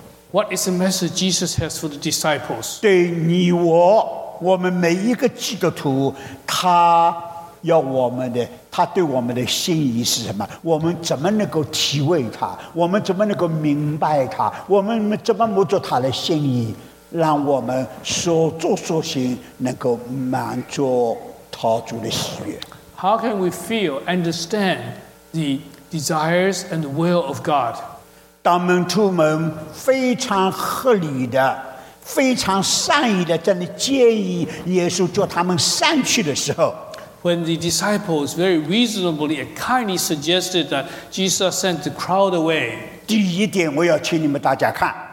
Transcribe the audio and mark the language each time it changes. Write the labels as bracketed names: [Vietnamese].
[English] What is the message Jesus has for the disciples? [Chinese] 对你我们每一个基督徒，他要我们的，他对我们的心意是什么？我们怎么能够体会他？我们怎么能够明白他？我们怎么摸着他的心意？让我们所做所行能够满足陶主的喜悦。 [English] How can we feel, understand the desires and the will of God? [Chinese] 当门徒们非常合理的、非常善意的在那建议耶稣叫他们散去的时候， [English] When the disciples very reasonably and kindly suggested that Jesus sent the crowd away, [Chinese] 第一点我要请你们大家看。